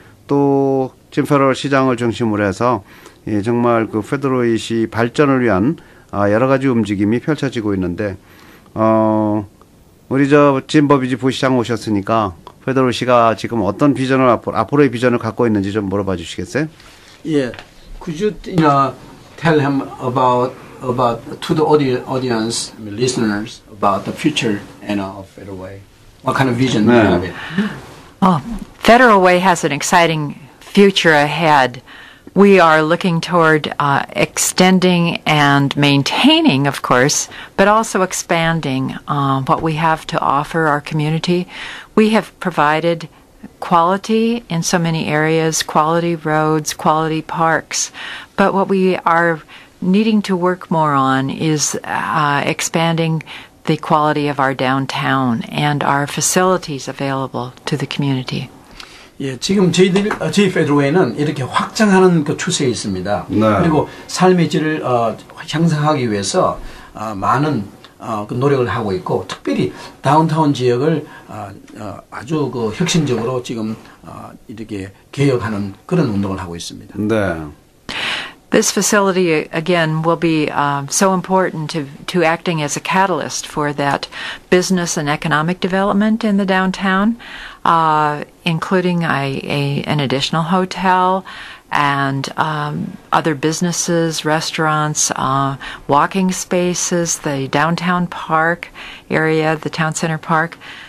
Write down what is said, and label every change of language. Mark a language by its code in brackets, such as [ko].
[ko] 또 지금 페더로이 시장을 중심으로 해서 예, 정말 그 페더로이 씨 발전을 위한 여러 가지 움직임이 펼쳐지고 있는데 우리 저 진버비지 부시장 오셨으니까 페더로 씨가 지금 어떤 비전을 앞으로의 비전을 갖고 있는지 좀 물어봐 주시겠어요? 예. [en] Could you, you know, tell him about to the audience, listeners about the future and of Federal Way. What kind of vision do you have? Oh, Federal Way has an exciting future ahead. We are looking toward extending and maintaining, of course, but also expanding what we have to offer our community. We have provided quality in so many areas, quality roads, quality parks, but what we are needing to work more on is expanding the quality of our downtown and our facilities available to the community. [ko] 예, 지금 저희들, 저희 페드로웨이는 이렇게 확장하는 그 추세에 있습니다. 네. 그리고 삶의 질을 향상하기 위해서 많은 그 노력을 하고 있고, 특별히 다운타운 지역을 아주 그 혁신적으로 지금 이렇게 개혁하는 그런 운동을 하고 있습니다. 네. [en] This facility, again, will be so important to acting as a catalyst for that business and economic development in the downtown, including an additional hotel and other businesses, restaurants, walking spaces, the downtown park area, the town center park.